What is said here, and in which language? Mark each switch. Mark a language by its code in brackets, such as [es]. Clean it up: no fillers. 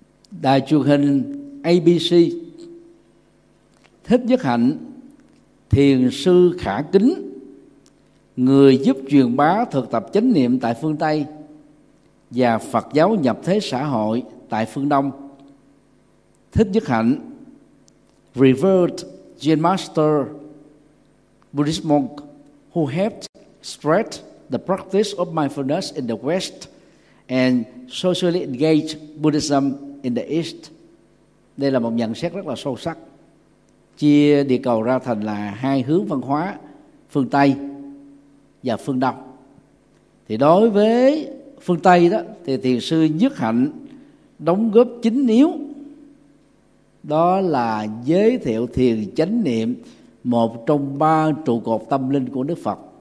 [vi] Đài truyền hình ABC, Thích Nhất Hạnh, thiền sư khả kính, người giúp truyền bá thực tập chánh niệm tại phương Tây và Phật giáo nhập thế xã hội tại phương Đông. [en] Thích Nhất Hạnh, revered Zen Master Buddhist monk who helped spread the practice of mindfulness in the West and socially engaged Buddhism in the East. [vi] Đây là một nhận xét rất là sâu sắc, chia địa cầu ra thành là hai hướng văn hóa, phương Tây và phương Đông. Thì đối với phương Tây đó, thì thiền sư Nhất Hạnh đóng góp chính yếu đó là giới thiệu thiền chánh niệm, một trong ba trụ cột tâm linh của Đức Phật.